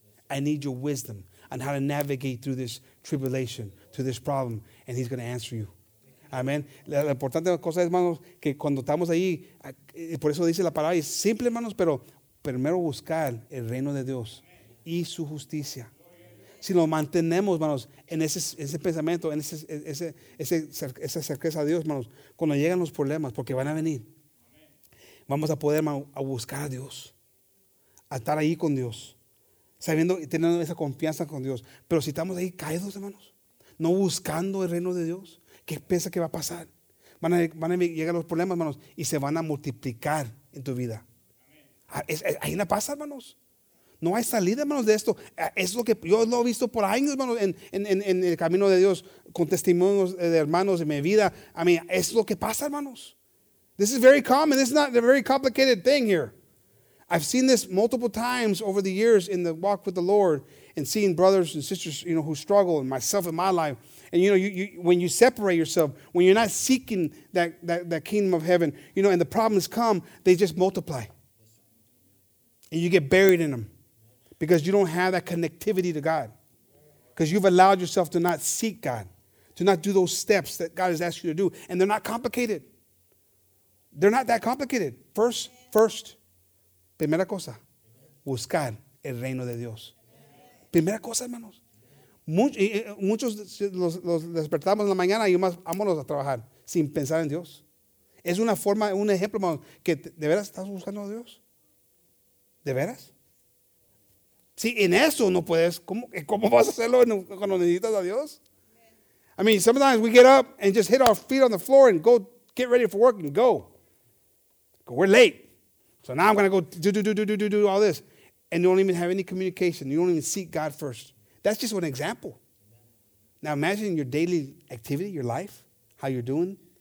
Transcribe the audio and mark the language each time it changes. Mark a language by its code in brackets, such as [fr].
[en] I need your wisdom on how to navigate through this tribulation, through this problem, and he's going to answer you. [es] Amén. La importante cosa es, hermanos, que cuando estamos ahí, por eso dice la palabra, es simple, hermanos, pero primero buscar el reino de Dios y su justicia. Si nos mantenemos, hermanos, en ese pensamiento, en esa certeza a Dios, hermanos, cuando llegan los problemas, porque van a venir, vamos a poder, hermanos, a buscar a Dios, a estar ahí con Dios, sabiendo y teniendo esa confianza con Dios. Pero si estamos ahí caídos, hermanos, no buscando el reino de Dios, ¿qué piensa que va a pasar? Van a llegar los problemas, hermanos, y se van a multiplicar en tu vida. Ahí no pasa, hermanos. No hay salida, hermanos, de esto. Es lo que yo lo he visto por años, hermanos, en el camino de Dios, con testimonios de hermanos en mi vida. [en] I mean, [es] es lo que pasa, hermanos. [en] This is very common. This is not a very complicated thing here. I've seen this multiple times over the years in the walk with the Lord and seeing brothers and sisters, you know, who struggle, and myself in my life. And, you know, you when you separate yourself, when you're not seeking that kingdom of heaven, you know, and the problems come, they just multiply. And you get buried in them because you don't have that connectivity to God. Because you've allowed yourself to not seek God, to not do those steps that God has asked you to do. And they're not complicated. They're not that complicated. [es] First, primera cosa, buscar el reino de Dios. Primera cosa, hermanos. Muchos los despertamos en la mañana y más vámonos a trabajar sin pensar en Dios. Es una forma, un ejemplo, hermanos, que de veras estás buscando a Dios. ¿De veras? Si en eso no puedes, ¿cómo vas a hacerlo cuando necesitas a Dios? [en] I mean, sometimes we get up and just hit our feet on the floor and go get ready for work and go. We're late. So now I'm going to go do all this. And you don't even have any communication. You don't even seek God first. That's just an example. Now imagine your daily activity, your life, how you're doing.